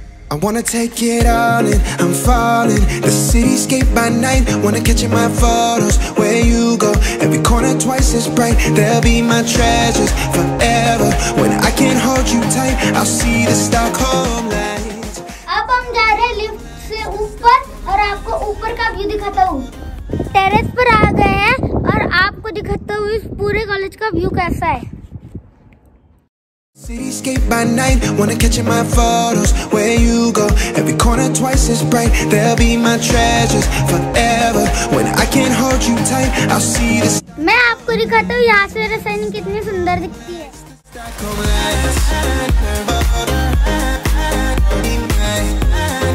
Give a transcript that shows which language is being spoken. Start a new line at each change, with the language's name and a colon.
English: I wanna take it all in, I'm falling. The cityscape by night, wanna catch in my photos. Where you go, every corner twice as bright. There'll be my treasures forever. When I can't hold you tight, I'll see the Stockholm lights.
Hindi: अब हम जा रहे हैं lift से ऊपर, और आपको ऊपर का व्यू दिखाता हूँ। टेरेस पर आ गए हैं, और आपको दिखाता हूँ इस पूरे कॉलेज का व्यू कैसा है।
English: Cityscape by night, wanna catch in my photos. Where you go, every corner twice as bright. There'll be my treasures forever. When I can't hold you tight, I'll see the.
Hindi: मैं आपको दिखाता हूँ यहाँ से रसायनी कितनी सुंदर दिखती है।